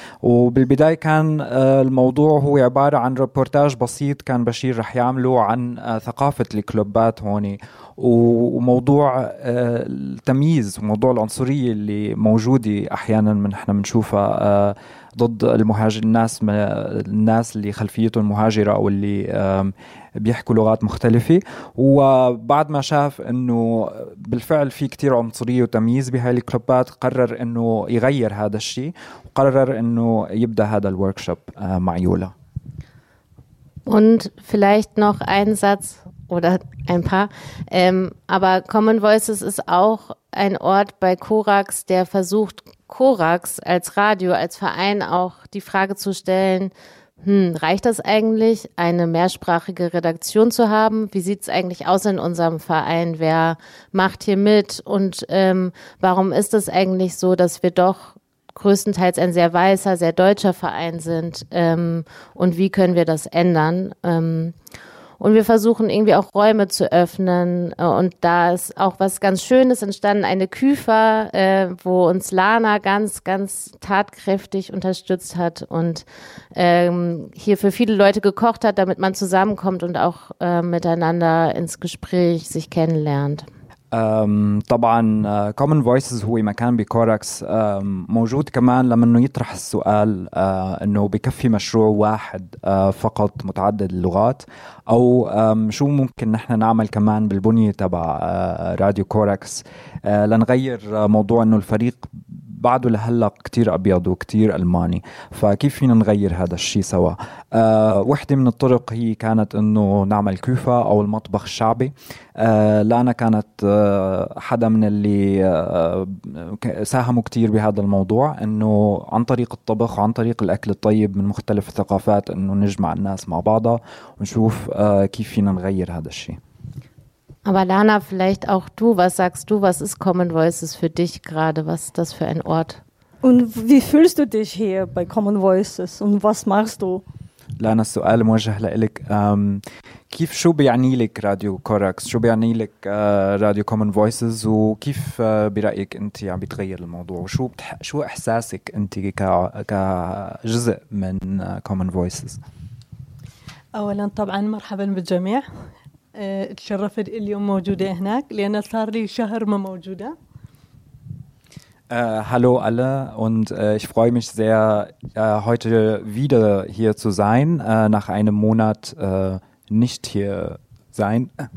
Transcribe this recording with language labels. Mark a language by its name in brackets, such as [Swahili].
[Arabic] وبالبداية كان الموضوع هو عبارة عن ريبورتاج بسيط كان بشير رح يعمله عن ثقافة الكلوبات هوني، وموضوع التمييز وموضوع العنصرية اللي موجودة احيانا من احنا بنشوفها ضد المهاجر، الناس اللي خلفيتهم مهاجرة أو اللي بيحكوا لغات مختلفة. وبعد ما شاف أنه بالفعل في كتير عنصرية وتمييز بهاي الكلوبات، قرر أنه يغير هذا الشيء، وقرر أنه يبدأ هذا الوركشوب مع يولا. [German] Und vielleicht noch ein Satz oder ein paar. Aber Common Voices ist auch ein Ort bei Korax, der versucht, Korax als Radio, als Verein auch die Frage zu stellen, reicht das eigentlich, eine mehrsprachige Redaktion zu haben? Wie sieht es eigentlich aus in unserem Verein? Wer macht hier mit? Und warum ist es eigentlich so, dass wir doch größtenteils ein sehr weißer, sehr deutscher Verein sind und wie können wir das ändern. Und wir versuchen irgendwie auch Räume zu öffnen und da ist auch was ganz Schönes entstanden, eine Küfer, wo uns Lana ganz, ganz tatkräftig unterstützt hat und hier für viele Leute gekocht hat, damit man zusammenkommt und auch miteinander ins Gespräch sich kennenlernt. [Arabic] طبعا Common Voices هو مكان بكوركس موجود كمان لما انه يطرح السؤال انه بكفي مشروع واحد فقط متعدد اللغات او شو ممكن نحن نعمل كمان بالبنية تبع راديو كوركس لنغير موضوع انه الفريق بعده لهلا كتير ابيض وكتير الماني فكيف فينا نغير هذا الشيء سوا واحدة من الطرق هي كانت انه نعمل كوفة او المطبخ الشعبي لانا كانت حدا من اللي ساهموا كتير بهذا الموضوع انه عن طريق الطبخ وعن طريق الاكل الطيب من مختلف الثقافات انه نجمع الناس مع بعضها ونشوف كيف فينا نغير هذا الشيء. [German] Aber Lana, vielleicht auch du, was sagst du, was ist Common Voices für dich gerade, was ist das für ein Ort? Und wie fühlst du dich hier bei Common Voices und was machst du? Lana, das Frage ist an dich. [Arabic] كيف شو بيعني لك راديو كوركس شو بيعني لك راديو كومن فويسز وكيف برايك انت عم يعني بتغير الموضوع وشو شو احساسك انت كجزء من كومن فويسز اولا طبعا مرحبا بالجميع تشرفت اليوم موجوده هناك لان صار لي شهر ما موجوده [German] Hallo alle und ich freue mich sehr heute wieder hier zu sein nach einem Monat nicht hier sein.